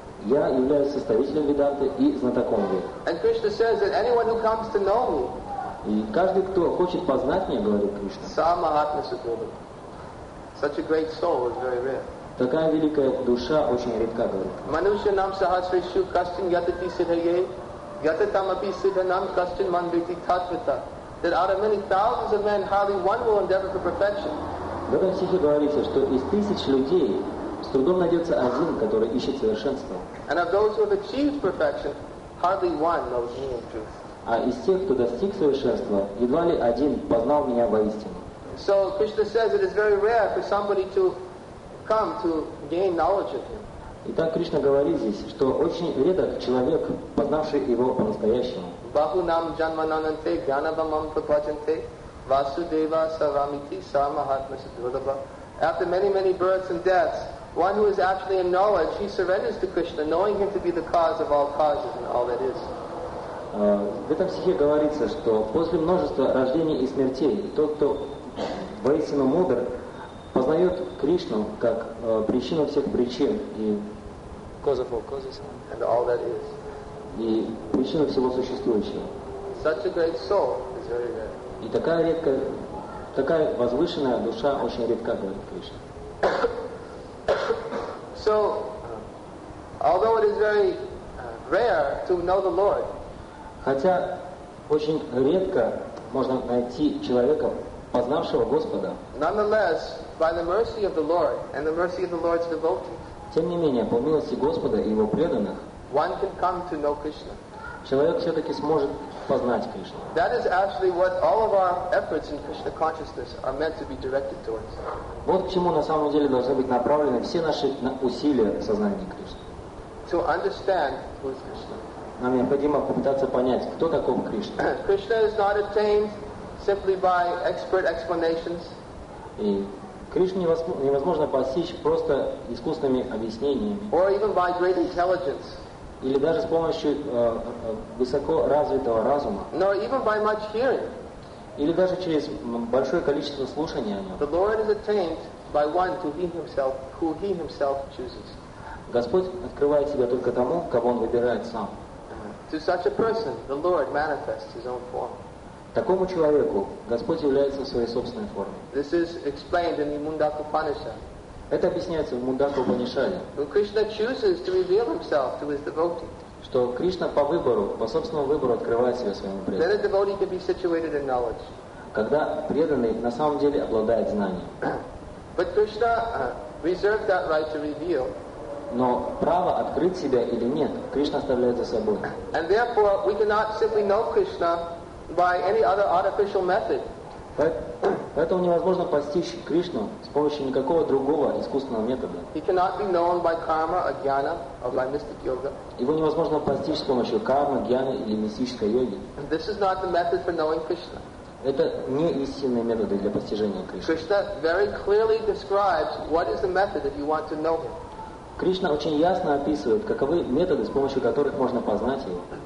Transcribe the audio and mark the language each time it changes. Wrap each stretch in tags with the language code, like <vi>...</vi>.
<ru>Я являюсь составителем Веданты и знатоком Вед.</ru> <en>And Krishna says that anyone who comes to know me.</en> <ru>И каждый, кто хочет познать меня, говорит Кришна.</ru> <sa>Сама Атмасукуба.</sa> <en>Such a great soul is very rare.</en> <ru>Такая великая душа очень редка, говорит.</ru> <sa>Манушья нам сахасришу кастин ятати сидхайе, ятатамапи сидха нам кастин манбити татвита.</sa> <en>That out of many thousands of men, hardly one will endeavor for perfection.</en> <ru>В этом стихе говорится, что из тысяч людей с трудом найдется один, который ищет совершенство.</ru> <en>And of those who have achieved perfection, hardly one knows me in truth.</en> <ru>А из тех, кто достиг совершенства, едва ли один познал меня воистину.</ru> <en>So Krishna says it is very rare for somebody to come to gain knowledge of him.</en> <ru>Итак, Кришна говорит здесь, что очень редок человек, познавший его по-настоящему.</ru> <sa>Баху нам джанмананте гьянабамам папачанте васудева сарамити самахатмасадвадаба.</sa> <en>After many, many births and deaths, one who is actually in knowledge, he surrenders to Krishna, knowing him to be the cause of all causes and all that is.</en> <ru>В этом стихе говорится, что после множества рождений и смертей тот, кто воистину мудр, познает Кришну как причину всех причин и,</ru> <en>cause of all causes, and all that is.</en> <ru>И причину всего существующего.</ru> <en>Such a great soul is very rare.</en> <ru>И такая редкая, такая возвышенная душа очень редко говорит Кришна.</ru> <en>So, although it is very rare to know the Lord,</en> <ru>хотя очень редко можно найти человека, познавшего Господа,</ru> <en>nonetheless, by the mercy of the Lord and the mercy of the Lord's devotees,</en> <ru>тем не менее, по милости Господа и его преданных,</ru> <en>one can come to know Krishna.</en> <ru>Человек все-таки сможет познать Кришну.</ru> <en>That is actually what all of our efforts in Krishna consciousness are meant to be directed towards.</en> <ru>Вот к чему на самом деле должны быть направлены все наши усилия в сознании Кришны.</ru> <en>To understand who is Krishna.</en> <ru>Нам необходимо попытаться понять, кто таков Кришна.</ru> <en>Krishna is not attained simply by expert explanations.</en> <ru>И Кришну невозможно постичь просто искусственными объяснениями.</ru> <en>Or even by great intelligence.</en> <ru>Или даже с помощью высоко развитого разума.</ru> <en>Nor even by much hearing.</en> <ru>Или даже через большое количество слушания о нем.</ru> <en>The Lord is attained by one to who he himself chooses.</en> <ru>Господь открывает себя только тому, кого он выбирает сам.</ru> <en>To such a person, the Lord manifests his own form.</en> <ru>Такому человеку Господь является в своей собственной форме.</ru> <en>This is explained in the Mundaka Upanishad.</en> <ru>Это объясняется в Мундаку Упанишаде.</ru> <en>When Krishna chooses to reveal himself to his devotee,</en> <ru>что Кришна по выбору, по собственному выбору открывает себя своему преданному.</ru> <en>Then a devotee can be situated in knowledge.</en> <ru>Когда преданный на самом деле обладает знанием.</ru> <en>But Krishna reserved that right to reveal.</en> <ru>Но право открыть себя или нет, Кришна оставляет за собой.</ru> <en>And therefore we cannot simply know Krishna by any other artificial method.</en> <ru>Поэтому невозможно постичь Кришну с помощью никакого другого искусственного метода.</ru> <en>He cannot be known by karma, or jnana, or by mystic yoga.</en> <ru>Его невозможно постичь с помощью кармы, гьяны или мистической йоги.</ru> <en>This is not the method for knowing Krishna.</en> <ru>Это не истинные методы для постижения Кришны.</ru> <en>Krishna very clearly describes what is the method if you want to know him.</en> <ru>Кришна очень ясно описывает, каковы методы, с помощью которых можно познать его.</ru>